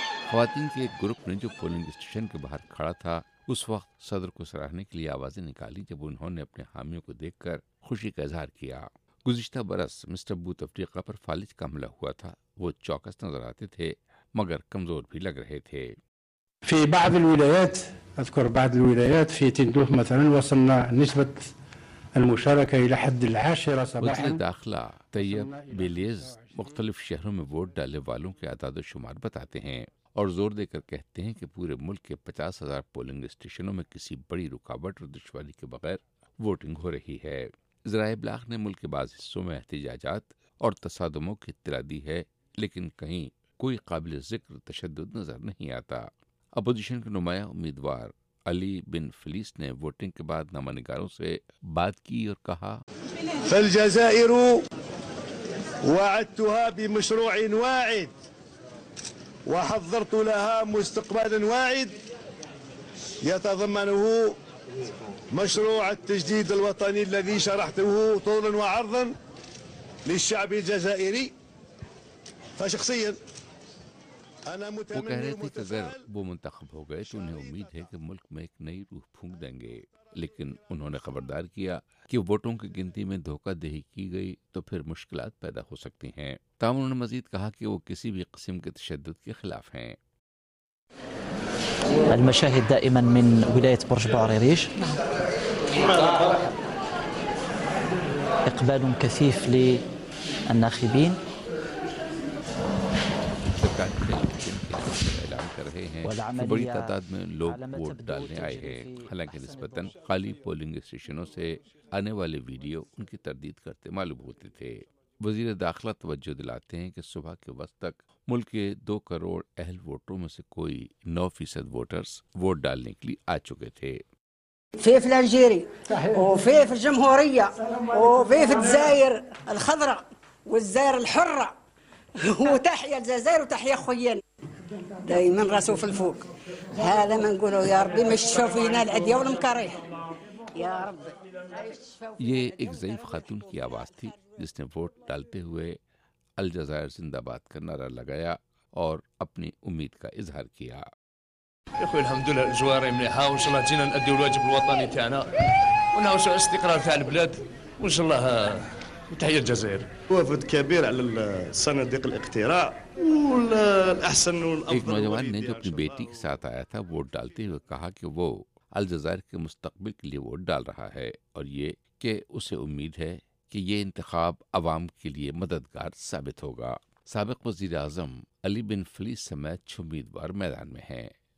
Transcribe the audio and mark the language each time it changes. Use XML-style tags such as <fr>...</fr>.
<ur>خواتین کے ایک گروپ نے جو پولنگ اسٹیشن کے باہر کھڑا تھا اس وقت صدر کو سراہنے کے لیے آوازیں نکالی جب انہوں نے اپنے حامیوں کو دیکھ کر خوشی کا اظہار کیا۔ گزشتہ برس مسٹر بوتفلیقہ پر فالج کا حملہ ہوا تھا، وہ چوکس نظر آتے تھے مگر کمزور بھی لگ رہے تھے۔</ur> <ar>في بعض الولايات اذكر بعض الولايات في تندوه مثلا وصلنا نسبه المشاركه الى حد 10 صباحا</ar> <ur>داخلہ طيب بليز مختلف شہروں میں ووٹ ڈالنے والوں کے اعداد و شمار بتاتے ہیں اور زور دے کر کہتے ہیں کہ پورے ملک کے 50,000 پولنگ اسٹیشنوں میں کسی بڑی رکاوٹ اور دشواری کے بغیر ووٹنگ ہو رہی ہے۔ ذرائع ابلاغ نے ملک کے بعض حصوں میں احتجاجات اور تصادموں کی اطلاع دی ہے لیکن کہیں کوئی قابل ذکر تشدد نظر نہیں آتا۔ اپوزیشن کے نمایاں امیدوار علی بن فلیس نے ووٹنگ کے بعد نامہ نگاروں سے بات کی اور کہا،</ur> <ar>فالجزائر وعدتها بمشروع واعد وحضرت لها مستقبلا واعد يتضمنه مشروع التجديد الوطني الذي شرحته طولا وعرضا للشعب الجزائري فشخصيا انا متمنى</ar> <ur>وہ کہہ رہے تھے کہ اگر وہ منتخب ہو گئے تو انہیں امید ہے کہ ملک میں ایک نئی روح پھونک دیں گے، لیکن انہوں نے خبردار کیا کہ ووٹوں کی گنتی میں دھوکہ دہی کی گئی تو پھر مشکلات پیدا ہو سکتی ہیں۔ تاہم انہوں نے مزید کہا کہ وہ کسی بھی قسم کے تشدد کے خلاف ہیں۔</ur> <ar>المشاهد دائما من ولاية برج بوعريريش اقبال كثيف للناخبين</ar> <ur>کہ بڑی تعداد میں لوگ ووٹ ڈالنے آئے ہیں، حالانکہ نسبتاً خالی پولنگ اسٹیشنوں سے آنے والے ویڈیو ان کی تردید کرتے معلوم ہوتے تھے۔ وزیر داخلہ توجہ دلاتے ہیں کہ صبح کے وقت تک ملک کے 2 کروڑ اہل ووٹروں میں سے کوئی 9% ووٹرز ووٹ ڈالنے کے لیے آ چکے تھے۔</ur> <ar>في فلانجيري وفي في الجمهوريه وفي في الجزائر الخضراء والجزائر الحره وتحيا الجزائر وتحيا خوينا دائما راسو في الفوق، هذا ما نقولوا يا ربي ما يشفوا فينا العدي والمكاره يا ربي۔</ar> <ur>یہ ایک ضعیف خاتون کی آواز تھی جس نے ووٹ ڈالتے ہوئے الجزائر زندہ باد کا نعرہ لگایا اور اپنی امید کا اظہار کیا۔</ur> <ar>اخوي الحمد لله الجوار مليحة وان شاء الله جينا نأدي الواجب الوطني تاعنا ونعاود على الاستقرار تاع البلاد وان شاء الله وتحية الجزائر۔ وفد كبير على صناديق الاقتراع والاحسن والافضل۔</ar> <ur>ایک نوجوان نے جو اپنی بیٹی کے ساتھ آیا تھا ووٹ ڈالتے ہوئے کہا کہ وہ الجزائر کے مستقبل کے لیے ووٹ ڈال رہا ہے اور یہ کہ اسے امید ہے کہ یہ انتخاب عوام کے لیے مددگار ثابت ہوگا۔ سابق وزیر اعظم علی بن فلیس سمیت 6 امیدوار میدان میں ہیں۔</ur>